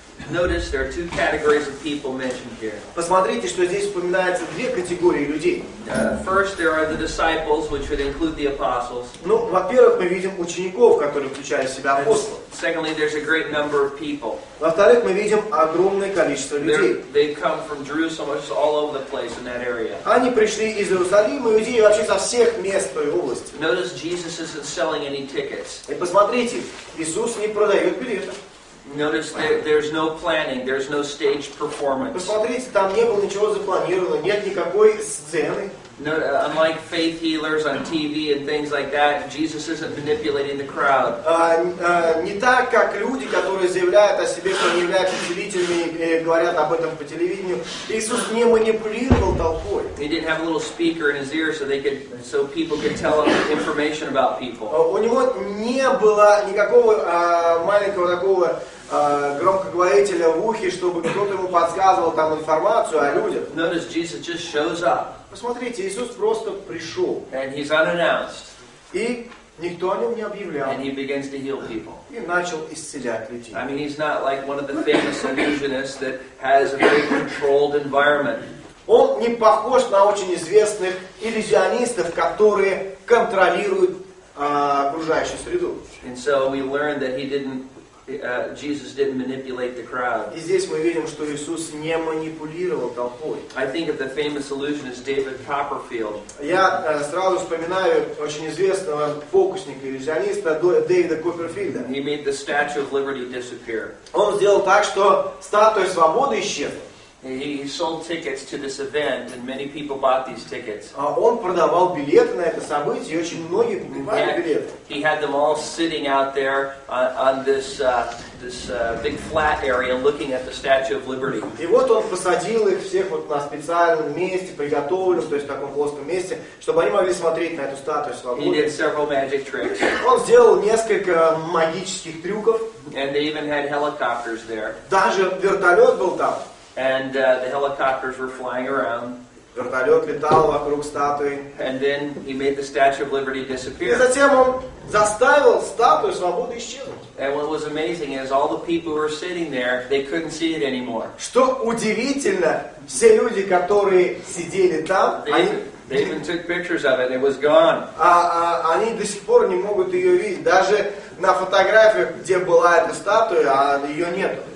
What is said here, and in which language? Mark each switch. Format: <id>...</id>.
<en>Notice there are two categories of people mentioned here.</en> <ru>Посмотрите, что здесь упоминается две категории людей.</ru> <en>First, there are the disciples, which would include the apostles.</en> <ru>Ну, во-первых, мы видим учеников, которые включают в себя апостолов.</ru> <en>Secondly, there's a great number of people.</en> <ru>Во-вторых, мы видим огромное количество людей.</ru> <en>They've come from Jerusalem, which is all over the place in that area.</en> <ru>Они пришли из Иерусалима, Иудеи, вообще со всех мест той области.</ru> <en>Notice Jesus isn't selling any tickets.</en> <ru>И посмотрите, Иисус не продает билетов.</ru> <en>Notice there's no planning, there's no stage performance.</en> <ru>Посмотрите, там не было ничего запланировано, нет никакой сцены.</ru> <en>No, unlike faith healers on TV and things like that, Jesus isn't manipulating the crowd.</en> <ru>Не так, как люди, которые заявляют о себе, что они являются целителями, говорят об этом по телевидению. Иисус не манипулировал толпой.</ru> <en>He didn't have a little speaker in his ear so people could tell him information about people.</en> <ru>У него не было никакого маленького такого громкоговорителя в ухе, чтобы кто-то ему подсказывал там информацию о людях.</ru> <en>Notice Jesus just shows up.</en> <ru>Посмотрите, Иисус просто пришел.</ru> <en>And he's unannounced.</en> <ru>И никто о нем не объявлял.</ru> <en>And he begins to heal people.</en> <ru>И начал исцелять людей.</ru> <en>I mean, he's not like one of the famous illusionists that has a very controlled environment.</en> <ru>Он не похож на очень известных иллюзионистов, которые контролируют окружающую среду.</ru> <en>And so we learn that he didn't Jesus didn't manipulate the crowd.</en> <ru>И здесь мы видим, что Иисус не манипулировал толпой.</ru> <en>I think of the famous illusionist David Copperfield.</en> <ru>Я сразу вспоминаю очень известного фокусника, иллюзиониста Дэвида Копперфилда.</ru> <en>He made the Statue of Liberty disappear.</en> <ru>Он сделал так, что статуя свободы исчезла.</ru> <en>He sold tickets to this event, and many people bought these tickets.</en> <ru>Он продавал билеты на это событие, и очень многие покупали билеты.</ru> <en>He had them all sitting out there on this big flat area looking at the Statue of Liberty.</en> <ru>И вот он посадил их всех вот на специальном месте, приготовленном, то есть в таком плоском месте, чтобы они могли смотреть на эту статую свободы.</ru> <en>He did several magic tricks.</en> <ru>Он сделал несколько магических трюков.</ru> <en>And they even had helicopters there.</en> <ru>Даже вертолет был там.</ru> <en>And the helicopters were flying around.</en> <ru>Вертолет летал вокруг статуи.</ru> <en>And then he made the Statue of Liberty disappear.</en> <ru>И затем он заставил статую свободы исчезнуть.</ru> <en>And what was amazing is all the people who were sitting there, they couldn't see it anymore.</en> <ru>Что удивительно, все люди, которые сидели там,</ru> <en>they even took pictures of it, and it was gone.</en> <ru>Они до сих пор не могут ее видеть. Даже на фотографиях, где была эта статуя, ее нет.</ru>